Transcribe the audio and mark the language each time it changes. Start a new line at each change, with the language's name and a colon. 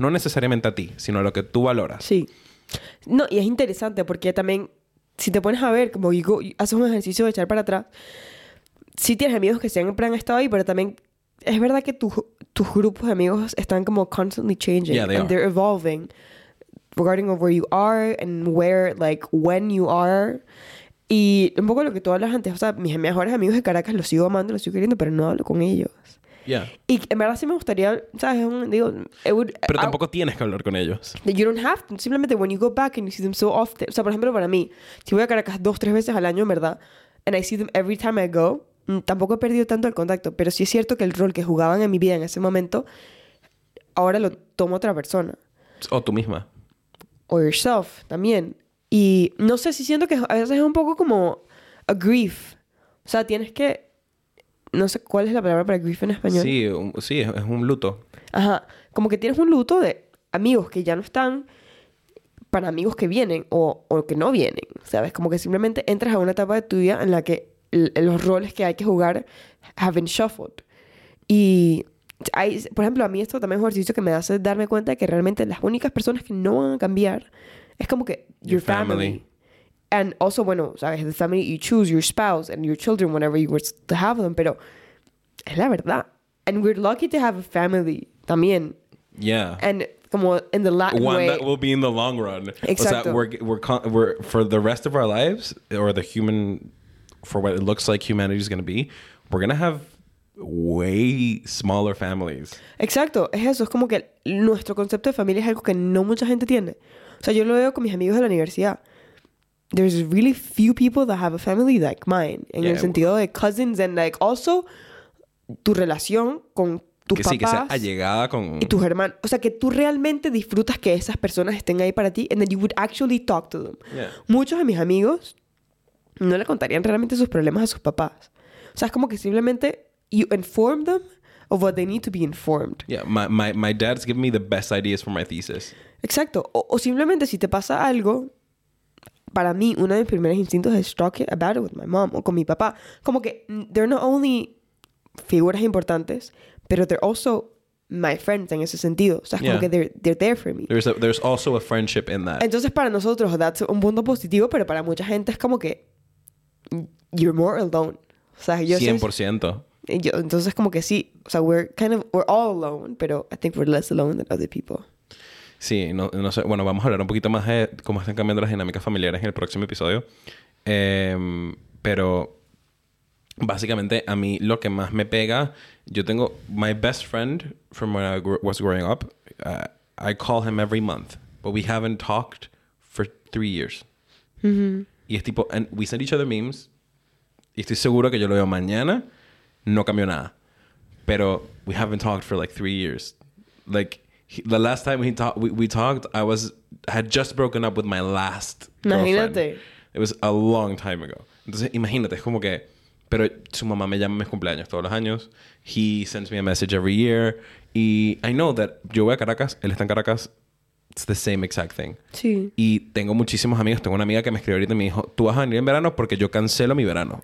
Spanish: No necesariamente a ti, sino a lo que tú valoras. Sí. No, y es interesante porque también, si te pones a ver, como digo, haces un ejercicio de echar para atrás, sí tienes amigos que siempre han estado ahí, pero también es verdad que tus grupos de amigos están como
English: constantly changing. Yeah, they and are. They're evolving regarding of where you are and where, like, when you are.
Spanish: Y un poco lo que tú hablas antes, o sea, mis mejores amigos de Caracas los sigo amando, los sigo queriendo, pero no hablo con ellos.
English: Yeah.
Spanish: Y en verdad sí me gustaría, ¿sabes? Pero tampoco tienes que hablar con ellos.
English: You don't have to. Simplemente when you go back and you see them so often.
Spanish: O sea, por ejemplo, para mí, si voy a Caracas 2-3 veces al año, en verdad,
English: and I see them every time I go,
Spanish: tampoco he perdido tanto el contacto. Pero sí es cierto que el rol que jugaban en mi vida en ese momento, ahora lo toma otra persona. O tú misma. O yourself también. Y no sé si siento que a veces es un poco como a grief. O sea, tienes que... No sé cuál es la palabra para grief en español. Sí, es un luto. Ajá. Como que tienes un luto de amigos que ya no están para amigos que vienen o que no vienen. ¿Sabes? Como que simplemente entras a una etapa de tu vida en la que los roles que hay que jugar
English: have been shuffled.
Spanish: Y hay, por ejemplo, a mí esto también es un ejercicio que me hace darme cuenta de que realmente las únicas personas que no van a cambiar es como que
English: your family. And also,
Spanish: bueno, sabes,
English: the family you choose, your spouse and your children, whenever you were to have them,
Spanish: pero es la verdad.
English: And we're lucky to have a family también. Yeah. And como in the Latin one way. One that will be in the long run.
Spanish: Exacto.
English: O sea, we're for the rest of our lives, or the human, for what it looks like humanity is going to be, we're going to have way smaller families.
Spanish: Exacto. Es eso. Es como que nuestro concepto de familia es algo que no mucha gente tiene. O sea, yo lo veo con mis amigos de la universidad.
English: There's really few people that have a family like mine.
Spanish: En el sentido de
English: cousins and like also
Spanish: tu relación con tus papás. Que sí, que sea allegada con... Y tus hermanos. O sea, que tú realmente disfrutas que esas personas estén ahí para ti
English: and then you would actually talk to them. Yeah.
Spanish: Muchos de mis amigos no le contarían realmente sus problemas a sus papás. O sea, es como que simplemente
English: you inform them of what they need to be informed. Yeah, my dad's giving me the best ideas for my thesis.
Spanish: Exacto. O simplemente si te pasa algo, para mí, uno de mis primeros instintos es
English: talk about it with my mom
Spanish: o con mi papá. Como que
English: they're not only
Spanish: figuras importantes, pero
English: they're also my friends
Spanish: en ese sentido. O sea, es como que
English: they're there for me. There's also a friendship in that.
Spanish: Entonces, para nosotros, that's un punto positivo, pero para mucha gente es como que
English: you're more alone.
Spanish: O sea, yo 100%. Entonces, como que sí. O sea,
English: we're all alone, pero I think we're less alone than other people.
Spanish: Sí, no sé. Bueno, vamos a hablar un poquito más de cómo están cambiando las dinámicas familiares en el próximo episodio. Pero básicamente, a mí lo que más me pega... Yo tengo...
English: My best friend from when I was growing up, I call him every month. But we haven't talked for 3 years. Mm-hmm.
Spanish: Y es tipo...
English: And we send each other memes.
Spanish: Y estoy seguro que yo lo veo mañana. No cambió nada. Pero
English: we haven't talked for like 3 years. Like... The last time we talked, I had just broken up with my last
Spanish: imagínate.
English: Girlfriend. It was a long time ago.
Spanish: Entonces, imagínate, es como que... Pero su mamá me llama en mis cumpleaños todos los años.
English: He sends me a message every year. Y I know that
Spanish: yo voy a Caracas, él está en Caracas.
English: It's the same exact thing.
Spanish: Sí. Y tengo muchísimos amigos. Tengo una amiga que me escribió ahorita y me dijo, tú vas a venir en verano porque yo cancelo mi verano.